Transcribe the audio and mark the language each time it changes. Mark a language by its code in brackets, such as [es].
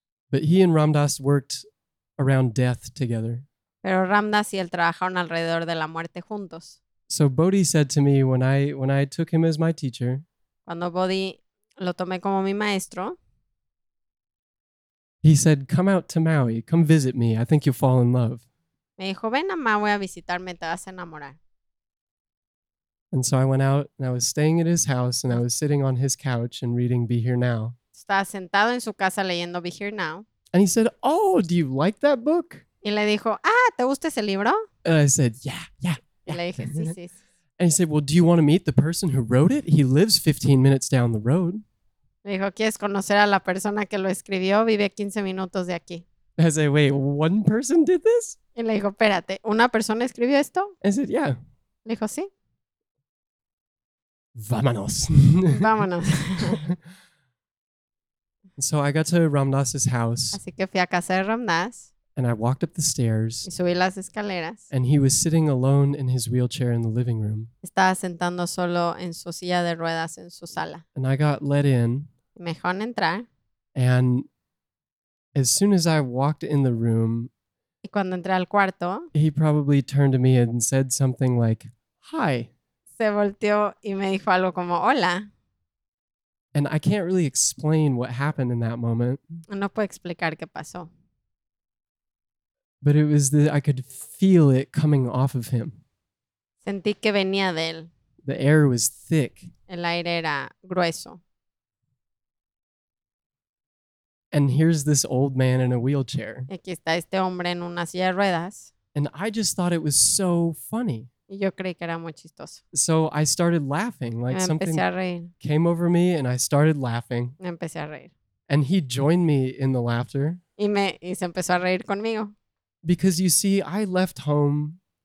[en] But he and Ramdas worked around death together. [es] Pero Ramdas y él trabajaron alrededor de la muerte juntos. [en] So Bodhi said to me when I took him as my teacher. [es] Cuando Bodhi lo tomé como mi maestro. [en] He said, "Come out to Maui. Come visit me. I think you'll fall in love." [es] Me dijo, "Ven a Maui a visitarme, te vas a enamorar." [en] And so I went out and I was staying at his house and I was sitting on his couch and reading Be Here Now. [es] Estaba sentado en su casa leyendo Be Here Now. [en] And he said, "Oh, do you like that book?" [es] Y le dijo, "Ah, ¿te gusta ese libro?" [en] And I said, "Yeah, yeah." [es] Le dije, sí, sí. [en] And he said, "Well, do you want to meet the person who wrote it? He lives 15 minutes down the road." [es] Me dijo, "¿Quieres conocer a la persona que lo escribió? Vive 15 minutos de aquí." [en] I said, "Wait, one person did this?" [es] Y le dijo, "Espérate, ¿una persona escribió esto?" [en] I said, "Yeah." [es] Le dijo, "Sí." Vámonos. Vámonos. [en] So I got to Ramdas's house. [es] Así que fui a casa de Ramdas. [en] And I walked up the stairs. [es] Y subí las escaleras. [en] And he was sitting alone in his wheelchair in the living room. [es] Estaba sentado solo en su silla de ruedas en su sala. [en] And I got let in. [es] Mejor entrar. [en] And as soon as I walked in the room, [es] y cuando entré al cuarto, [en] he probably turned to me and said something like, "Hi." [es] Se volteó y me dijo algo como, "Hola." [en] And I can't really explain what happened in that moment. [es] No puedo explicar qué pasó. [en] But it was that I could feel it coming off of him. [es] Sentí que venía de él. [en] The air was thick. [es] El aire era grueso. [en] And here's this old man in a wheelchair. [es] Aquí está este hombre en una silla de ruedas. [en] And I just thought it was so funny. [es] Y yo creí que era muy chistoso. [en] So I started laughing. Like me something [es] empecé a reír. [en] Came over me and I started laughing. [es] Me empecé a reír. [en] And he joined me in the laughter. [es] Y se empezó a reír conmigo. [en] Because you see, I left home.